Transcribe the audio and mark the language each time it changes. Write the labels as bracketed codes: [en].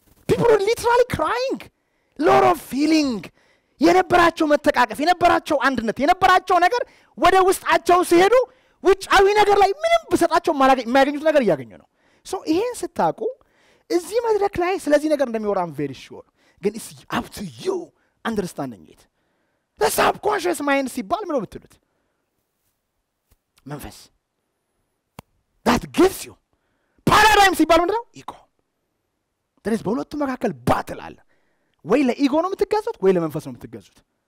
[en] ፒፕል ወር ሊትራሊ ክራይንግ፣ ሎት ኦፍ ፊሊንግ። [am] የነበራቸው መተቃቀፍ፣ የነበራቸው አንድነት፣ የነበራቸው ነገር ወደ ውስጣቸው ሲሄዱ ውጫዊ ነገር ላይ ምንም ብሰጣቸው የማያገኙት ነገር እያገኙ ነው። ሶ ይሄን ስታውቁ እዚህ መድረክ ላይ ስለዚህ ነገር እንደሚወራም [en] ቬሪ ሹር [am] ግን [en] it's up to you understanding it. The subconscious mind [am] ሲባል ምን ነው የምትሉት? [en] መንፈስ that gives you paradigm [am] ሲባል ምን ነው? [en] ego. There is [am] በሁለቱ መካከል battle አለ። ወይ ለኢጎ ነው የምትገዙት ወይ ለመንፈስ ነው የምትገዙት?